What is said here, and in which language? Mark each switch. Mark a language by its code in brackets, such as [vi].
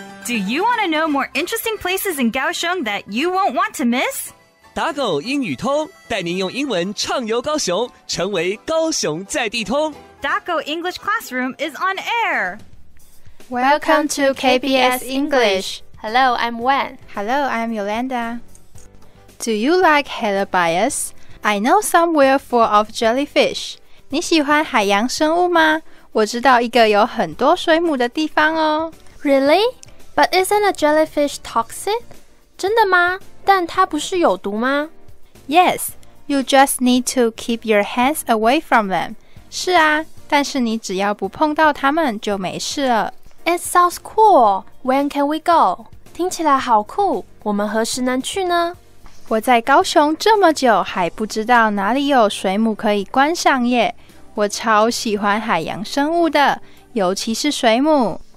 [en] Do you want to know more interesting places in Kaohsiung that you won't want to miss? [zh] 打狗英语通，带您用英文畅游高雄，成为高雄在地通。 [en] Daco English Classroom is on air. Welcome to KBS English. Hello, I'm Wen. Hello, I'm Yolanda. Do you like halobios? I know somewhere full of jellyfish. [zh] 你喜欢海洋生物吗？我知道一个有很多水母的地方哦。 [en] Really? But isn't a jellyfish toxic? [zh] 真的吗？但它不是有毒吗？ [en] Yes, you just need to keep your hands away from them. [zh] 是啊，但是你只要不碰到他们就没事了。 [en] It sounds cool. When can we go? [zh] 听起来好酷，我们何时能去呢？我在高雄这么久还不知道哪里有水母可以观赏耶。我超喜欢海洋生物的，尤其是水母。